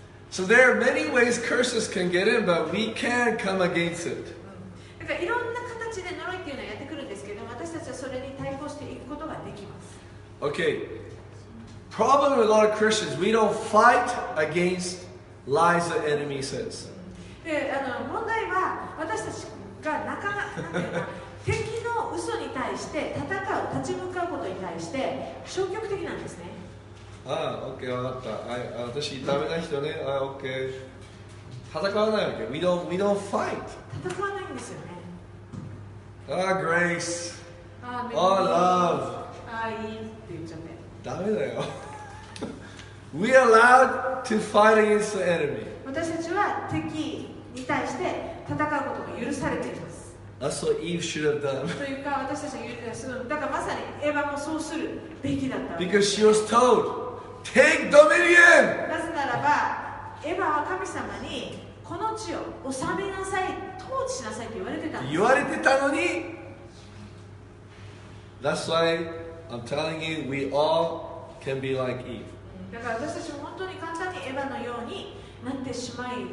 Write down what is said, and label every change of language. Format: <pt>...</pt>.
<en>So there are many ways curses can get in, but we can come against it.</en> <ja>だからいろんな形で呪いっていうのはやってくるんですけど、私たちはそれに対抗していくことができます。</ja> <en>Okay. Problem with a lot of Christians, we don't fight against lies the enemy says.</en> <ja>問題は私たちがなかなか敵の嘘に対して戦う立ち向かうことに対して消極的なんですね。ああ、OK、分かった。あ、私ダメな人ね。あ、OK。戦わないわけ。</ja> <en>We don't fight。</en> <ja>戦わないんですよね。</ja> <en>ああ、Grace。</en> <ja>ああ</ja> <en>、Love。</en> <ja>ああ、いいって言っちゃって。ダメだよ。</ja> <en>We are allowed to fight against the enemy。</en> <ja>私たちは敵に対して戦うことが許されています。</ja> <en>That's what Eve should have done.</en> <ja>というか私たちは許される。だからまさにエヴァもそうするべきだった。</ja> <en>Because she was told, take dominion!</en> <ja>なぜならば、エヴァは神様にこの地を治めなさい、統治しなさいと言われてたんです。言われてたのに。</ja> <en>That's why I'm telling you, we all can be like Eve.</en> <ja>だから私たちも本当に簡単にエヴァのようになってしまい、</ja>